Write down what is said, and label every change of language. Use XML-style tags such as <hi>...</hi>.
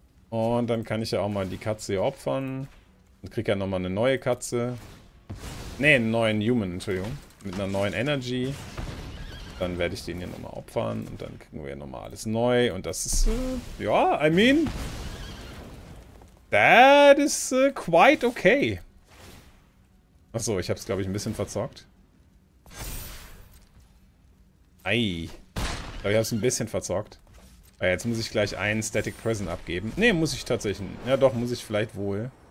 <de>Und dann kann ich ja auch mal die Katze hier opfern. Und kriege ja nochmal eine neue Katze. Ne, einen neuen Human, Entschuldigung. Mit einer neuen Energy. Dann werde ich den hier nochmal opfern. Und dann kriegen wir ja nochmal alles neu. Und das ist, ja,</de> <en>I mean, that is quite okay.</en> <de>Achso, ich habe es, glaube ich, ein bisschen verzockt. Ei. Ich glaube, ich habe es ein bisschen verzockt. Jetzt muss ich gleich einen Static Prison abgeben. Ne, muss ich tatsächlich. Ja doch, muss ich vielleicht wohl.</de>